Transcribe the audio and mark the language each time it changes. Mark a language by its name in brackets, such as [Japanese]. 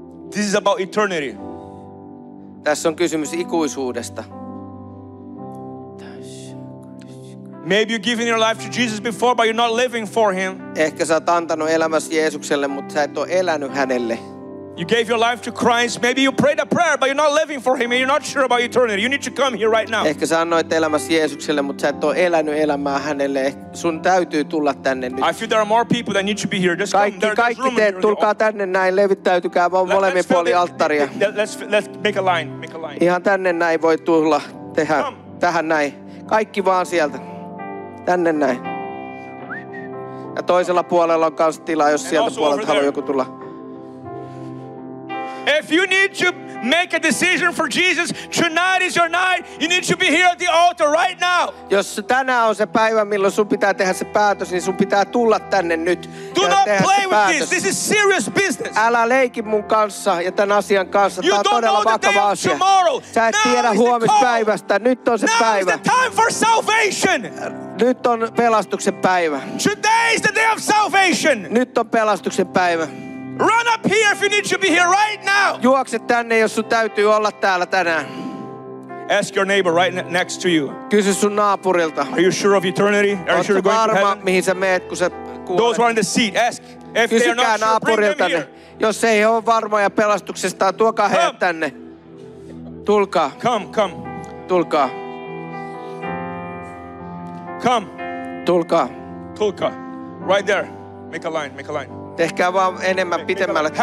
[English] This is about eternity. [Finnish] Tässä on kysymys ikuisuudesta. [English] Maybe you've given your life to Jesus before, but you're not living for him. [Finnish] Ehkä sä oot antanut elämäsi Jeesukselle, mutta sä et ole elänyt hänelle. [English] You gave your life to Christ. Maybe you prayed a prayer, but you're not living for him and you're not sure about eternity. You need to come here right now. [Finnish] Ehkä sä annoit elämäsi Jeesukselle, mutta sä et ole elänyt elämää hänelle. Sun täytyy tulla tänne nyt. [English] I feel there are more people that need to be here. Just [Finnish] kaikki, [English] come. [Finnish] Kaikki te, tulkaa tänne näin. Levittäytykää vaan molemmin puolin alttaria. [English] Let's make a line. Make a line. [Finnish] Ihan tänne näin voi tulla. Tehdä tähän näin. Kaikki vaan sieltä. Tänne näin. Ja toisella puolella on kans tilaa, jos sieltä puolelta haluaa joku tulla. [English] If you need to make a decision for Jesus, tonight is your night. You need to be here at the altar right now. [Finnish] Jos tänään on se päivä, milloin sun pitää tehdä se päätös, niin sun pitää tulla tänne nyt. [English] Do not play with this. This is serious business. [Finnish] Älä leiki mun kanssa ja tän asian kanssa. Tää on todella vakava asia. Sä et tiedä huomispäivästä. Nyt on se päivä. [English] Now is the time for salvation. [Finnish] Nyt on pelastuksen päivä. [English] Today is the day of salvation. [Finnish] Nyt on pelastuksen päivä. [English] Run up here if you need to be here right now. [Finnish] Juokse tänne, jos sun täytyy olla täällä tänään. [English] Ask your neighbor right next to you. [Finnish] Kysy sun naapurilta. [English] Are you sure of eternity? Are you sure going to heaven? [Finnish] Mihin sä meet, kun sä kuulet? [English] Those who are in the seat, ask if they are not sure, bring them here. [Finnish] Jos ei ole varmoja pelastuksesta, tuokaa heidät tänne. Tulkaa. [English] Come. [Finnish] Tulkaa. [English] Come. [Finnish] Tulkaa. Tulkaa. [English] Right there. Make a line. [Finnish] Tehkää vaan enemmän pitemmälle.